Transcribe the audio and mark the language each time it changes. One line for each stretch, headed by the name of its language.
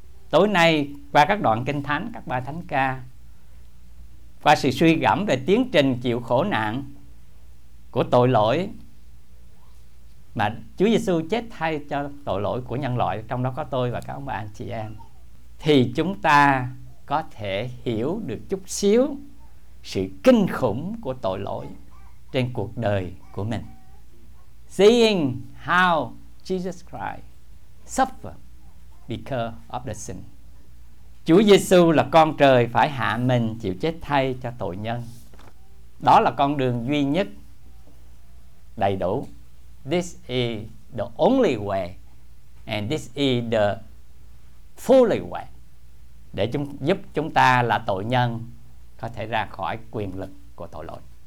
Vietnamese: Tối nay qua các đoạn Kinh Thánh, các bài thánh ca, qua sự suy gẫm về tiến trình chịu khổ nạn của tội lỗi mà Chúa Giêsu chết thay cho tội lỗi của nhân loại, trong đó có tôi và các ông bà anh chị em, thì chúng ta có thể hiểu được chút xíu sự kinh khủng của tội lỗi trên cuộc đời của mình.
English: Seeing how Jesus Christ suffered because of the sin.
Vietnamese: Chúa Giêsu là con trời phải hạ mình chịu chết thay cho tội nhân. Đó là con đường duy nhất đầy đủ.
English: This is the only way and this is the fully way
Vietnamese: để giúp chúng ta là tội nhân có thể ra khỏi quyền lực của tội lỗi.